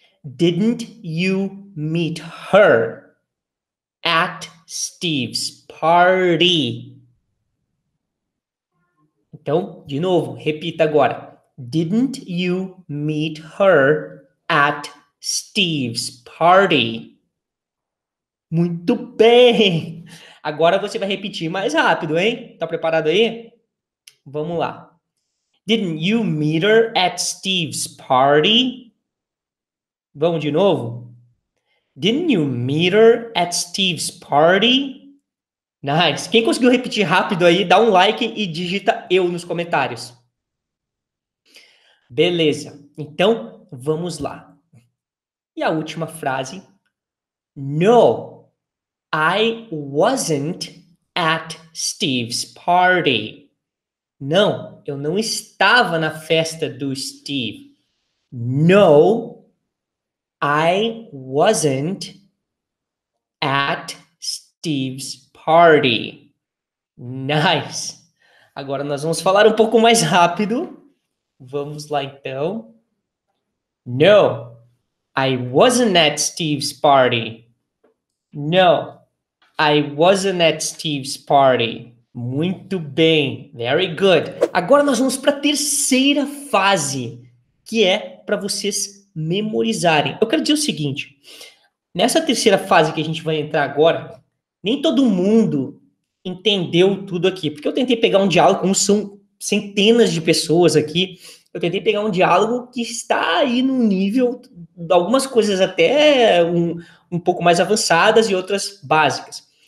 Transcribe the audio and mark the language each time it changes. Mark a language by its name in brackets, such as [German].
[English] Didn't you meet her at Steve's party? [Portuguese] Então, de novo, repita agora. [English] Didn't you meet her at Steve's party? [Portuguese] Muito bem! Agora você vai repetir mais rápido, hein? Tá preparado aí? Vamos lá. [English] Didn't you meet her at Steve's party? [Portuguese] Vamos de novo? [English] Didn't you meet her at Steve's party? Nice. [Portuguese] Quem conseguiu repetir rápido aí, dá um like e digita eu nos comentários. Beleza. Então, vamos lá. E a última frase. [English] No, I wasn't at Steve's party. [Portuguese] Não, eu não estava na festa do Steve. [English] No, I wasn't at Steve's party. Nice. [Portuguese] Agora nós vamos falar um pouco mais rápido. Vamos lá então. [English] No, I wasn't at Steve's party. No, I wasn't at Steve's party. [Portuguese] Muito bem. [English] Very good. [Portuguese] Agora nós vamos para a terceira fase, que é para vocês memorizarem. Eu quero dizer o seguinte. Nessa terceira fase que a gente vai entrar agora, nem todo mundo entendeu tudo aqui. Porque eu tentei pegar um diálogo, como são centenas de pessoas aqui, eu tentei pegar um diálogo que está aí num nível de algumas coisas até um pouco mais avançadas e outras básicas.